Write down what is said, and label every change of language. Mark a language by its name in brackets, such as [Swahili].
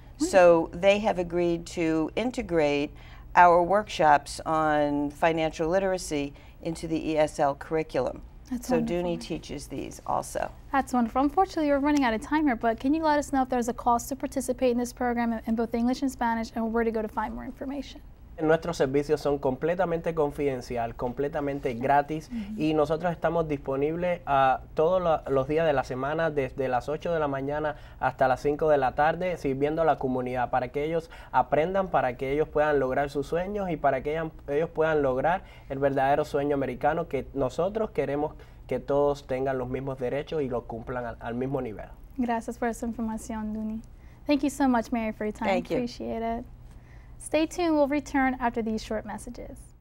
[English] So they have agreed to integrate our workshops on financial literacy into the ESL curriculum. That's so Duny teaches these also. That's wonderful. Unfortunately, we're running out of time here, but can you let us know if there's a cost to participate in this program in both English and Spanish, and where to go to find more information? [Spanish] Nuestros servicios son completamente confidencial, completamente gratis, y nosotros estamos disponibles todos los días de la semana, desde las 8 de la mañana hasta las 5 de la tarde, sirviendo a la comunidad para que ellos aprendan, para que ellos puedan lograr sus sueños y para que ellos puedan lograr el verdadero sueño americano, que nosotros queremos que todos tengan los mismos derechos y lo cumplan al mismo nivel. Gracias por esa información, Duny. [English] Thank you so much, Mary, for your time. Thank you. Appreciate it. Stay tuned, we'll return after these short messages.